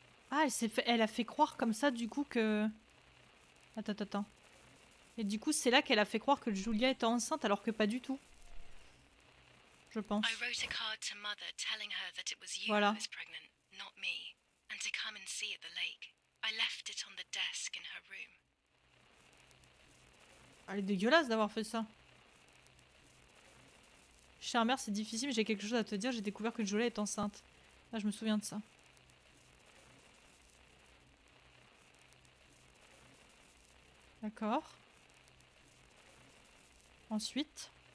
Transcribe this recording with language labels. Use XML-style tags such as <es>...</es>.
<fr>Ah, elle a fait croire comme ça du coup que... Attends. Et du coup, c'est là qu'elle a fait croire que Julia était enceinte alors que pas du tout. Je pense.</fr> <en>I wrote a card to mother telling her that it was you who was pregnant, not me. And to come and see at the lake. I left it on the desk in her room.</en> <fr>Elle est dégueulasse d'avoir fait ça. Chère mère, c'est difficile, mais j'ai quelque chose à te dire. J'ai découvert que Julia est enceinte. Là, je me souviens de ça. D'accord. Ensuite.</fr>